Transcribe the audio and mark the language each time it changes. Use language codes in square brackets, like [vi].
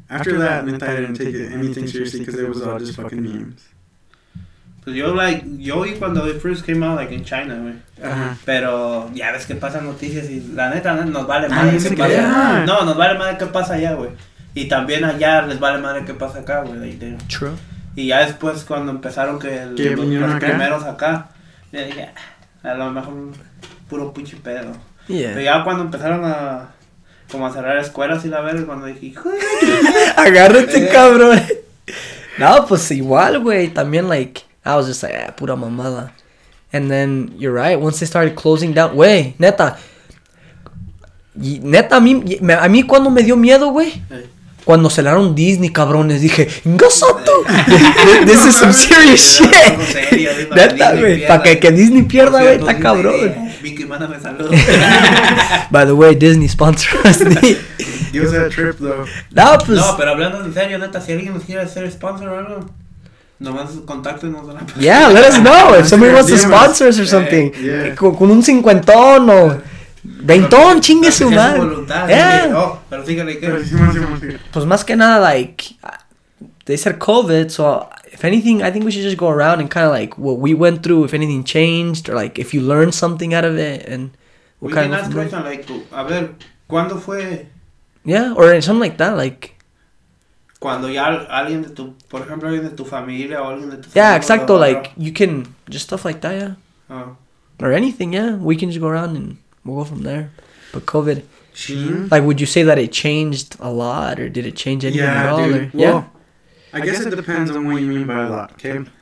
[en] After that, I didn't take anything seriously because it was all just fucking memes. [es] Pues yo, [en] like, [es] yo vi cuando [en] it first came out, like, in China, güey. [es] Pero, ya ves que pasan noticias y la neta, nos vale madre que pasa. [en] Yeah. [es] No, nos vale madre que pasa allá, güey. Y también allá les vale madre que pasa acá, güey. [en] True. [es] Y ya después cuando empezaron que los primeros acá, me dije, a lo mejor puro pinche pedo. [en] Yeah. [es] Pero ya cuando empezaron a como a cerrar escuelas y la ver, cuando dije, agárrate, cabrón. No, pues igual, güey, también, like, [en] I was just like, [es] pura mamada. [en] And then, you're right, once they started closing down, güey, neta. [es] Y neta, a mí cuando me dio miedo, güey. Cuando cerraron Disney, cabrones, dije, ¡Ngasato! [en] This is some serious shit. [es] Neta, güey. Para que Disney pierda, güey, está cabrón. Mickey, mándame saludos. [en] By the way, Disney sponsors me. Give us a trip, though. [es] No, pues. No, pero hablando en serio, neta, si alguien nos quiere ser sponsor o algo. Nomás contáctenos. [en] Yeah, let us know if somebody wants to sponsor us or something. Yeah. [es] Con un cincuentón o. Ventón, chingue su madre. Voluntad, yeah. Sí, no, pero fíjale que. Pues más que nada, [en] like, they said COVID, so if anything, I think we should just go around and kind of like what we went through, if anything changed, or like if you learned something out of it, and what kind of. Question, like, [es] a ver, ¿cuándo fue? [en] Yeah, or something like that, like. [es] cuando ya alguien de tu, por ejemplo, alguien de tu familia o alguien de tu [en] Yeah, exacto, like, you can, just stuff like that, yeah. Or anything, yeah. We can just go around and we'll go from there. But COVID, like, would you say that it changed a lot or did it change anything at all? Or, well, yeah, I guess it depends on what you mean by a lot, okay?